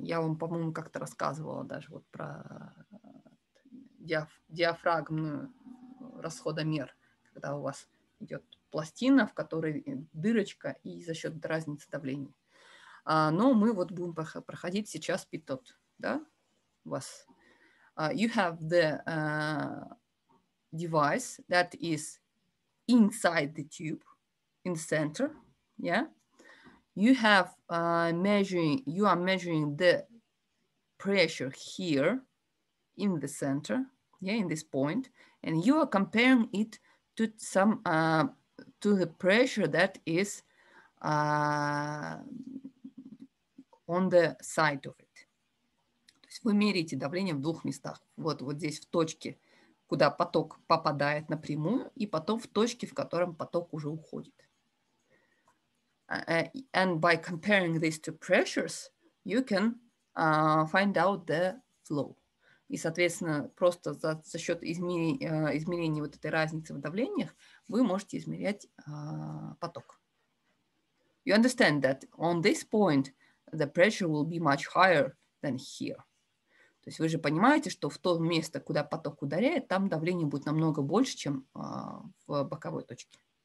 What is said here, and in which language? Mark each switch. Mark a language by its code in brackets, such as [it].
[ru] Я вам, по-моему, как-то рассказывала даже вот про диафрагмную расходомер, когда у вас идет пластина, в которой дырочка, и за счет разницы давления. Но мы вот будем проходить сейчас питот, да? У вас. [en] You have the device that is inside the tube, in the center, yeah? You have you are measuring the pressure here in the center, yeah, in this point, and you are comparing it to some to the pressure that is on the side of it. [ru] То есть вы меряете давление в двух местах. Вот, вот здесь, в точке, куда поток попадает напрямую, и потом в точке, в котором поток уже уходит. [en] And by comparing these two pressures, you can find out the flow. [ru] И, соответственно, просто за счет измерения вот этой разницы в давлениях вы можете измерять поток. [en] You understand that on this point the pressure will be much higher than here. [ru] То есть вы же понимаете, что в то место, куда поток ударяет, там давление будет намного больше, чем в боковой точке.